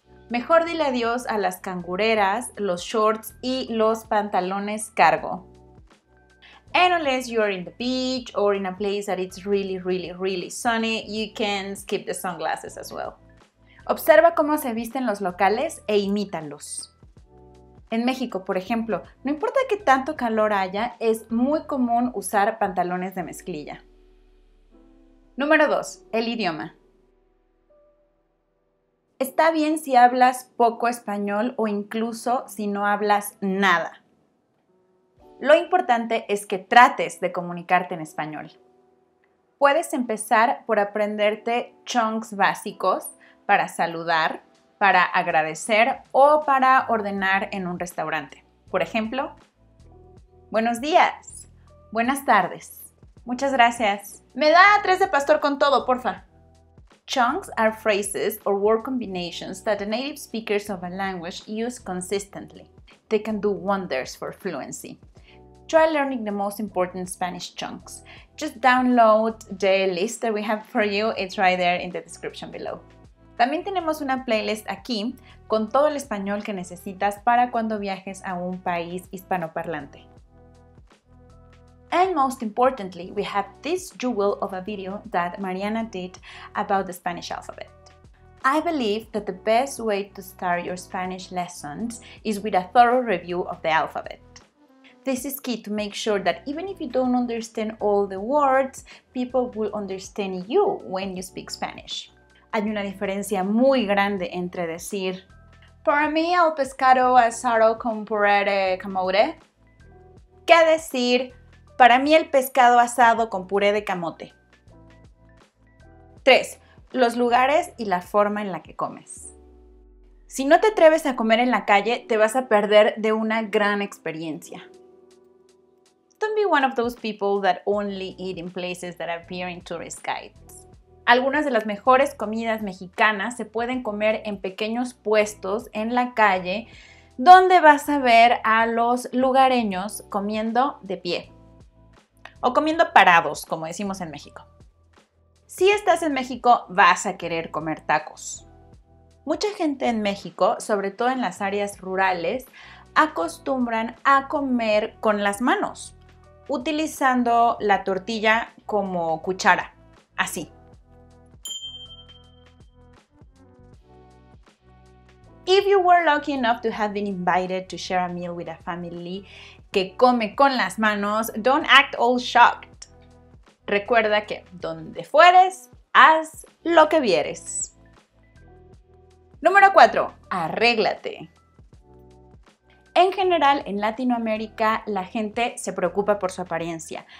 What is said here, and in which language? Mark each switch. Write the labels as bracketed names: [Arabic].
[Spanish] Mejor dile adiós a las cangureras, los shorts y los pantalones cargo. [English] And unless you are in the beach or in a place that it's really, really, really sunny, you can skip the sunglasses as well. [Spanish] Observa cómo se visten los locales e imítalos. En México, por ejemplo, no importa que tanto calor haya, es muy común usar pantalones de mezclilla. Número 2. El idioma. Está bien si hablas poco español o incluso si no hablas nada. Lo importante es que trates de comunicarte en español. Puedes empezar por aprenderte chunks básicos para saludar, para agradecer o para ordenar en un restaurante. Por ejemplo, buenos días, buenas tardes, muchas gracias. Me da 3 de pastor con todo, porfa. [English] Chunks are phrases or word combinations that the native speakers of a language use consistently. They can do wonders for fluency. Try learning the most important Spanish chunks. Just download the list that we have for you. It's right there in the description below. [Spanish] También tenemos una playlist aquí con todo el español que necesitas para cuando viajes a un país hispanoparlante. [English] And most importantly, we have this jewel of a video that Mariana did about the Spanish alphabet. I believe that the best way to start your Spanish lessons is with a thorough review of the alphabet. This is key to make sure that even if you don't understand all the words, people will understand you when you speak Spanish. [Spanish] Hay una diferencia muy grande entre decir para mí el pescado asado con puré de camote que decir para mí el pescado asado con puré de camote. 3. Los lugares y la forma en la que comes. Si no te atreves a comer en la calle, te vas a perder de una gran experiencia. [English] Don't be one of those people that only eat in places that appear in tourist guides. [Spanish] Algunas de las mejores comidas mexicanas se pueden comer en pequeños puestos en la calle donde vas a ver a los lugareños comiendo de pie. O comiendo parados, como decimos en México. Si estás en México, vas a querer comer tacos. Mucha gente en México, sobre todo en las áreas rurales, acostumbran a comer con las manos, utilizando la tortilla como cuchara, así. [English] If you were lucky enough to have been invited to share a meal with a family [Spanish] que come con las manos, [English] don't act all shocked. [Spanish] Recuerda que donde fueres, haz lo que vieres. Número 4. Arréglate. En general, en Latinoamérica, la gente se preocupa por su apariencia.